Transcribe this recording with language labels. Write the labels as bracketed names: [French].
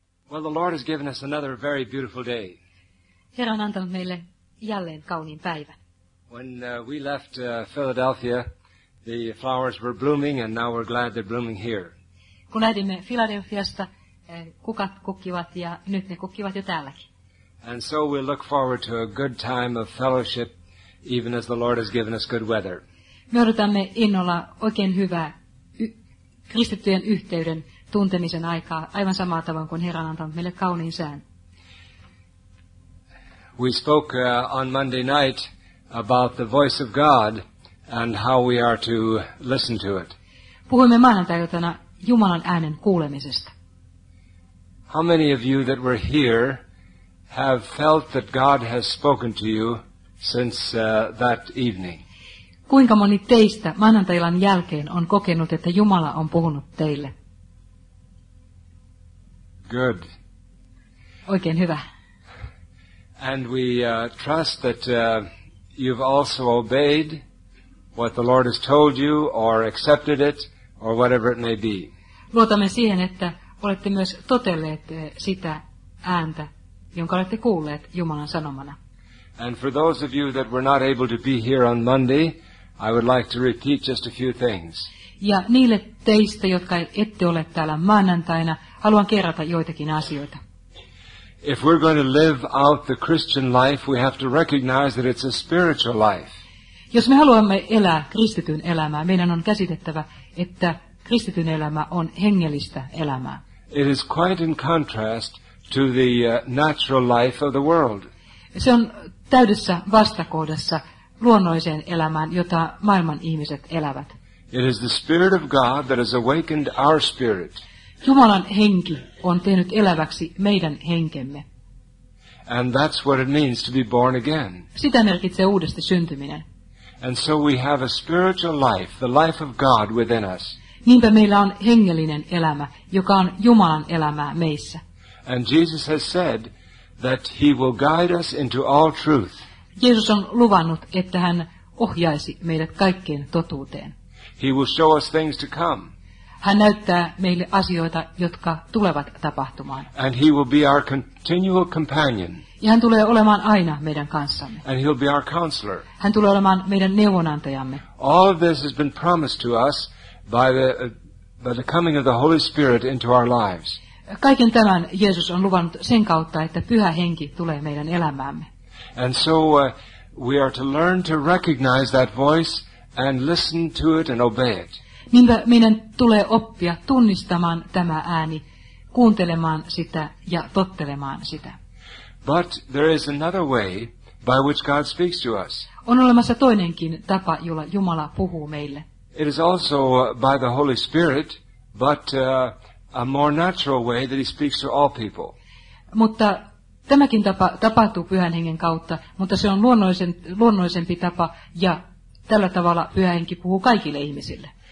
[English] Well, the Lord has given us another very beautiful day. [Finnish] Herra on antanut meille jälleen kauniin päivän. [English] When we left Philadelphia, the flowers were blooming, and now we're glad they're blooming here. [Finnish] Kun lähdimme Philadelphiasta, kukat kukkivat, ja nyt ne kukkivat jo täälläkin. [English] And so we look forward to a good time of fellowship, even as the Lord has given us good weather. [Finnish] Me odotamme innolla oikein hyvää kristittyjen yhteyden tuntemisen aikaa, aivan samaa tavalla kuin Herra antaa meille kauniin sään. [English] We spoke on Monday night about the voice of God and how we are to listen to it. [Finnish] Puhuimme maanantaiiltana Jumalan äänen kuulemisesta. [English] How many of you that were here have felt that God has spoken to you since that evening? [Finnish] Kuinka moni teistä maanantaiillan jälkeen on kokenut, että Jumala on puhunut teille? [English] Good. [Finnish] Oikein hyvä. [English] And we trust that you've also obeyed what the Lord has told you, or accepted it, or whatever it may be. [Finnish] Luotamme siihen, että olette myös totelleet sitä ääntä, jonka olette kuulleet Jumalan sanomana. [English] And for those of you that were not able to be here on Monday, I would like to repeat just a few things. [Finnish] Ja niille teistä, jotka ette ole täällä maanantaina, haluan kerrata joitakin asioita. [English] If we're going to live out the Christian life, we have to recognize that it's a spiritual life. [Finnish] Jos me haluamme elää kristityn elämää, meidän on käsitettävä, että kristityn elämä on hengellistä elämää. [English] It is quite in contrast to the natural life of the world. [Finnish] Se on täydessä vastakohdassa luonnolliseen elämään, jota maailman ihmiset elävät. [English] It is the Spirit of God that has awakened our spirit. [Finnish] Jumalan henki on tehnyt eläväksi meidän henkemme. [English] And that's what it means to be born again. [Finnish] Sitä merkitsee uudesti syntyminen. [English] And so we have a spiritual life, the life of God within us. [Finnish] Niinpä meillä on hengellinen elämä, joka on Jumalan elämää meissä. [English] And Jesus has said that he will guide us into all truth. [Finnish] Jeesus on luvannut, että hän ohjaisi meidät kaikkeen totuuteen. [English] He will show us things to come. [Finnish] Hän näyttää meille asioita, jotka tulevat tapahtumaan. [English] And he will be our continual companion. [Finnish] Ja hän tulee olemaan aina meidän kanssamme. [English] And he'll be our counselor. [Finnish] Hän tulee olemaan meidän neuvonantajamme. [English] All of this has been promised to us by the coming of the Holy Spirit into our lives. [Finnish] Kaiken tämän Jeesus on luvannut sen kautta, että Pyhä Henki tulee meidän elämäämme. [English] And so we are to learn to recognize that voice and listen to it and obey it. [Finnish] Niinpä meidän tulee oppia tunnistamaan tämä ääni, kuuntelemaan sitä ja tottelemaan sitä. [English] But there is another way by which God speaks to us. [Finnish] On olemassa toinenkin tapa, jolla Jumala puhuu meille. [English] It is also by the Holy Spirit, but a more natural way that he speaks to all people. [Finnish] Mutta tämäkin tapa tapahtuu Pyhän Hengen kautta, mutta se on luonnollisempi tapa, ja tällä tavalla Pyhä Henki puhuu kaikille ihmisille.